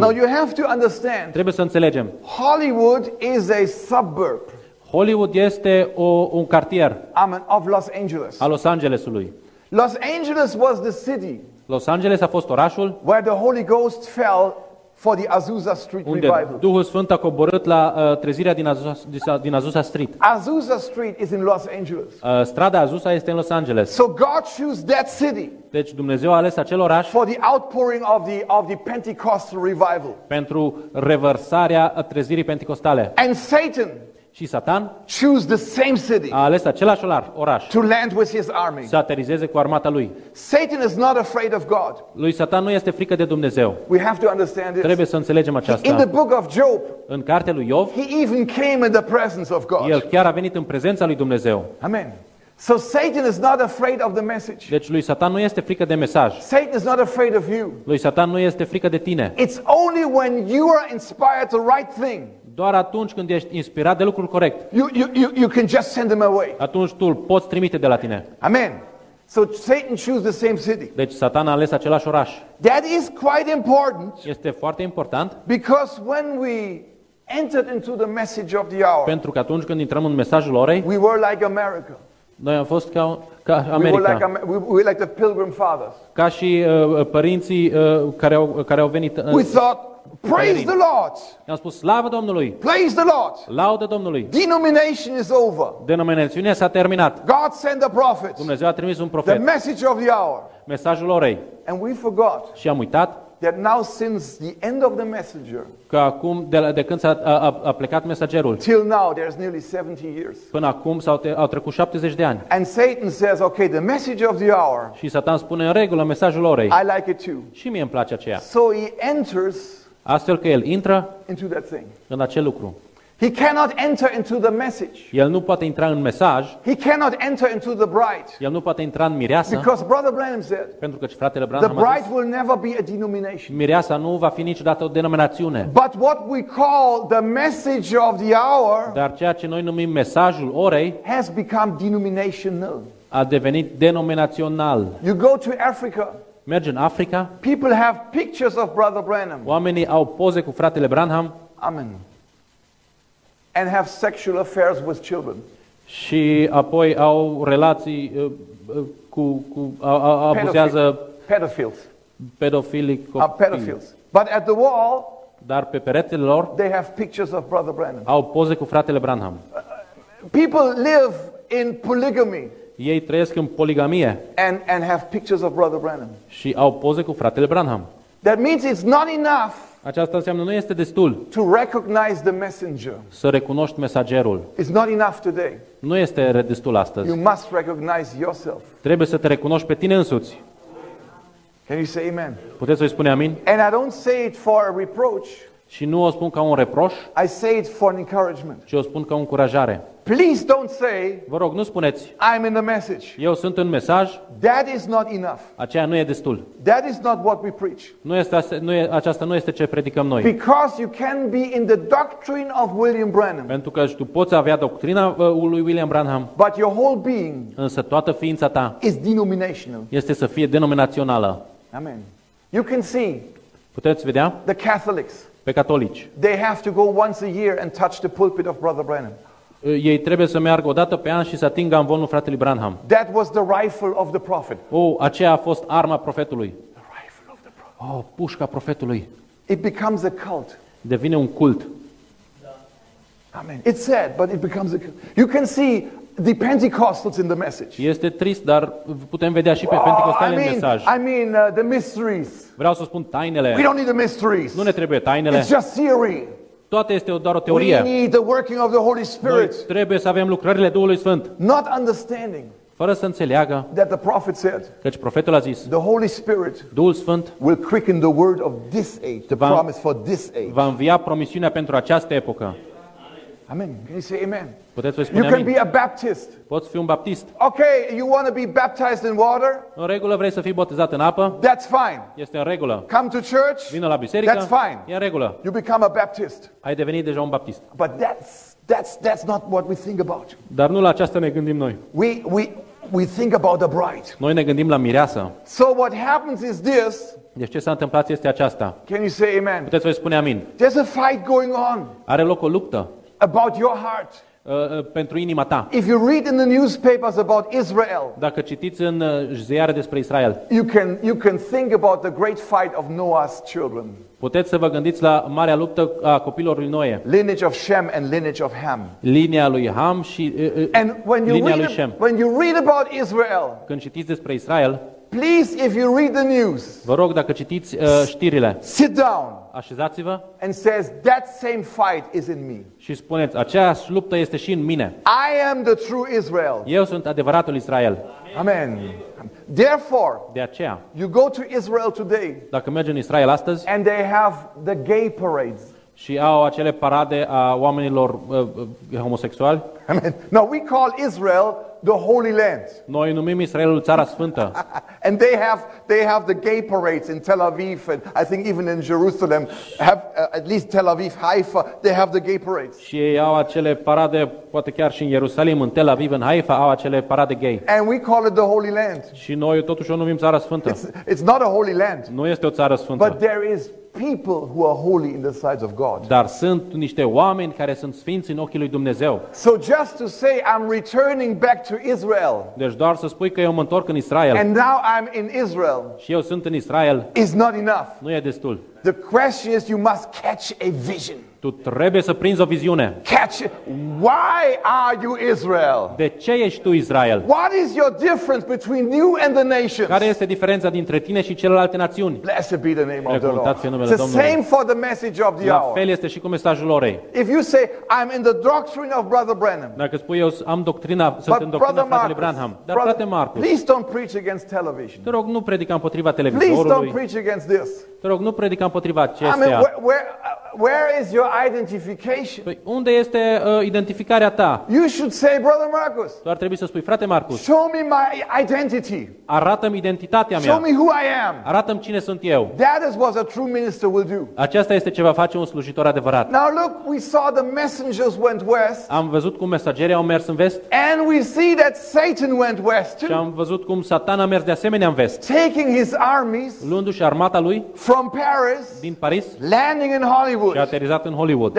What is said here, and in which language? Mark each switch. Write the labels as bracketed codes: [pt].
[en] Now you have to understand. [ro] Trebuie să înțelegem. [en] Hollywood is a suburb. [ro] Hollywood este un cartier. [en] Of Los Angeles. [ro] A Los Angelesului. [en] Los Angeles was the city. [ro] Los Angeles a fost orașul. [en] Where the Holy Ghost fell for the Azusa Street [ro] unde [en] revival. [ro] Unde Duhul Sfânt a coborât la trezirea din Azusa Street. [en] Azusa Street is in Los Angeles. [ro] Strada Azusa este în Los Angeles. [en] So God chose that city. [ro] Deci Dumnezeu a ales acel oraș. [en] For the outpouring of the Pentecostal revival. [ro] Pentru revărsarea trezirii pentecostale. [en] And Satan. [ro] Și Satan [en] choose the same city. [ro] A ales același oraș. [en] To land with his army. [ro] Să aterizeze cu armata lui. [en] Satan is not afraid of God. [ro] Lui Satan nu este frică de Dumnezeu. [en] We have to understand this. [ro] Trebuie să înțelegem aceasta. [en] In the book of Job. [ro] În cartea lui Iov. [en] He even came in the presence of God. [ro] El chiar a venit în prezența lui Dumnezeu. [en] Amen. So Satan is not afraid of the message. [ro] Deci lui Satan nu este frică de mesaj. [en] Satan is not afraid of you. [ro] Lui Satan nu este frică de tine. [en] It's only when you are inspired the right thing. [ro] Doar atunci când ești inspirat de lucrul corect. [en] You can just send them away. [ro] Atunci tu îl poți trimite de la tine. [en] Amen. So Satan chose the same city. [ro] Deci Satan a ales același oraș. [en] That is quite important. [ro] Este foarte important. [en] Because when we entered into the message of the hour. [ro] Pentru că atunci când intrăm în mesajul orei. [en] We were like America. [ro] Noi am fost ca America. [en] We were like the Pilgrim Fathers. [ro] Ca și părinții care au venit în. [en] We thought, praise the Lord. [ro] I-am spus slavă Domnului. [en] Praise the Lord. [ro] Laudă Domnului. [en] Denomination is over. [ro] Denominațiunea s-a terminat. [en] God sent a prophet. [ro] Dumnezeu a trimis un profet. [en] The message of the hour. [ro] Mesajul orei. [en] And we forgot. [ro] Și am uitat. [en] That now since the end of the messenger. [ro] Că acum de când s-a plecat mesagerul. [en] Till now there's nearly 70 years. [ro] Până acum au trecut 70 de ani. [en] And Satan says, okay, the message of the hour. [ro] Și Satan spune în regulă mesajul orei. [en] I like it too. [ro] Și mie îmi place aceea. [en] So he enters. [ro] Astfel că el intră [en] into that thing. [ro] În acel lucru. [en] He cannot enter into the message. [ro] El nu poate intra în mesaj. [en] He cannot enter into the bride. [ro] El nu poate intra în mireasă. [en] Because Brother Branham said. [ro] Pentru că fratele Branham a zis. [en] The bride will never be a denomination. [ro] Mireasa nu va fi niciodată o denominațiune. [en] But what we call the message of the hour. [ro] Dar ceea ce noi numim mesajul orei. [en] Has become denominational. [ro] A devenit denominațional. [en] You go to Africa. [ro] Merge în Africa. [en] People have pictures of Brother Branham. [ro] Oamenii au poze cu fratele Branham. [en] Amen. And have sexual affairs with children. [ro] Și apoi au relații cu abuzează [en] pedophiles. [ro] Pedofili [en] copii. Pedophiles. But at the wall. [ro] Dar pe peretele lor. [en] They have pictures of Brother Branham. [ro] Au poze cu fratele Branham. [en] People live in polygamy. [ro] Ei trăiesc în poligamie. [en] And have pictures of Brother Branham. [ro] Și au poze cu fratele Branham. [en] That means it's not enough. [ro] Aceasta înseamnă nu este destul. [en] To recognize the messenger. [ro] Să recunoști mesagerul. [en] It's not enough today. [ro] Nu este destul astăzi. [en] You must recognize yourself. [ro] Trebuie să te recunoști pe tine însuți. [en] Can you say amen? [ro] Puteți să-i spune amin? [en] And I don't say it for a reproach. [ro] Și nu o spun ca un reproș. [en] I say it for an encouragement. [ro] Și o spun ca o încurajare. [en] Please don't say. [ro] Vă rog, nu spuneți. [en] I'm in the message. [ro] Eu sunt în mesaj. [en] That is not enough. [ro] Aceea nu e destul. [en] That is not what we preach. [ro] Nu este, nu e, aceasta nu este ce predicăm noi. [en] Because you can be in the doctrine of William Branham. [ro] Pentru că tu poți avea doctrina lui William Branham. [en] But your whole being. [ro] Însă toată ființa ta. [en] Is denominational. [ro] Este să fie denominațională. [en] Amen. You can see. [ro] Puteți vedea? [en] The Catholics. [ro] Pe catolici. [en] They have to go once a year and touch the pulpit of Brother Branham. [ro] Ei trebuie să meargă o dată pe an și să atingă amvonul fratelui Branham. [en] That was the rifle of the prophet. [ro] Oh, aceea a fost arma profetului. [en] The rifle of the prophet. [ro] Oh, pușca profetului. [en] It becomes a cult. [ro] Devine un cult. Da. Amen. [en] It's sad, but it becomes a cult. You can see the Pentecostals in the message. [ro] Este trist, dar putem vedea și pe pentecostali în mesaj. [en] The mysteries. [ro] Vreau să spun tainele. [en] We don't need the mysteries. [ro] Nu ne trebuie tainele. [en] It's just theory. [ro] Toate este doar o teorie. [en] We need the working of the Holy Spirit. [ro] Noi trebuie să avem lucrările Duhului Sfânt. [en] Not understanding. [ro] Fără să înțeleagă. [en] That the prophet said. [ro] Căci profetul a zis. [en] The Holy Spirit. [ro] Duhul Sfânt. [en] Will quicken the word of this age. The promise for this age. [ro] Va învia promisiunea pentru această epocă. [en] Amen. Can you say amen? [ro] Puteți [en] spune you can amin. Be a Baptist. [ro] Poți fi un baptist. [en] Okay, you want to be baptized in water? [ro] În regulă, vrei să fii botezat în apă? [en] That's fine. [ro] Este în regulă. [en] Come to church? [ro] Vino la biserică. [en] That's fine. [ro] E în regulă. [en] You become a Baptist. [ro] Ai devenit deja un baptist. [en] But that's not what we think about. [ro] Dar nu la aceasta ne gândim noi. [en] We think about the bride. [ro] Noi ne gândim la mireasă. [en] So what happens is this. [ro] Deci ce s-a întâmplat este aceasta. [en] Can you say amen? [ro] Puteți spune amin. [en] There's a fight going on. [ro] Are loc o luptă. [en] About your heart. [ro] Pentru inima ta. [en] If you read in the newspapers about Israel. [ro] Dacă citiți în ziare despre Israel. [en] You can think about the great fight of Noah's children. [ro] Puteți să vă gândiți la marea luptă a copiilor lui Noe. [en] Lineage of Shem and lineage of Ham. [ro] Linia lui Ham și linia lui Shem. [en] When you read about Israel. [ro] Când citiți despre Israel. [en] Please, if you read the news. [ro] Vă rog dacă citiți știrile. [en] Sit down. [ro] Așezați-vă. [en] And says that same fight is in me. [ro] Și spuneți, aceeași luptă este și în mine. [en] I am the true Israel. [ro] Eu sunt adevăratul Israel. [en] Amen. Therefore. [ro] De aceea. [en] You go to Israel today. [ro] Dacă mergi în Israel astăzi. [en] And they have the gay parades. [ro] Și au acele parade a oamenilor homosexuali. [en] Amen. Now we call Israel the Holy Land. [ro] Noi numim Israelul Țara Sfântă. [en] And they have the gay parades in Tel Aviv and I think even in Jerusalem have at least Tel Aviv, Haifa, they have the gay parades. [ro] Și au acele parade, poate chiar și în Ierusalim, în Tel Aviv, în Haifa au acele parade gay. [en] And we call it the Holy Land. [ro] Și noi totuși o numim Țara Sfântă. [en] It's not a Holy Land. [ro] Nu este o Țară Sfântă. [en] But there is people who are holy in the sight of God. [ro] Dar sunt niște oameni care sunt sfinți în ochii lui Dumnezeu. [en] So just to say I'm returning back to Israel. [ro] Deci doar să spui că eu mă întorc în Israel. [en] And now I'm in Israel. [ro] Și eu sunt în Israel. [en] Is not enough. [ro] Nu e destul. [en] The question is you must catch a vision. [ro] Tu trebuie să prinzi o viziune. [en] Catch it. Why are you Israel? [ro] De ce ești tu Israel? [en] What is your difference between you and the nations? [ro] Care este diferența dintre tine și celelalte națiuni? [en] Blessed be the name of the Lord. It's the same for the message of the hour. [ro] La fel este și cu mesajul orei. [en] If you say I'm in the doctrine of Brother Branham. [ro] Dacă spui eu am doctrina, sunt în doctrina fratelui Branham. Dar frate Marcus. [en] Please don't preach against television. [ro] Te rog, nu predica împotriva televizorului. [en] Please don't preach against this. [ro] Te rog, nu predica împotriva acesteia. [en] Where is your identification? [ro] Păi unde este identificarea ta? [en] You should say, Brother Marcus. [ro] Tu ar trebui să spui, frate Marcus. [en] Show me my identity. [ro] Arată-mi identitatea mea. [en] Show me who I am. [ro] Arată-mi cine sunt eu. [en] That is what a true minister will do. [ro] Aceasta este ce va face un slujitor adevărat. [en] Now look, we saw the messengers went west. [ro] Am văzut cum mesagerii au mers în vest. [en] And we see that Satan went west too. [ro] Și am văzut cum Satan a mers de asemenea în vest. [en] Taking his armies. [ro] Luându-și armata lui. [en] From Paris. [ro] Din Paris. [en] Landing in Hollywood. [ro] Și a aterizat în Hollywood.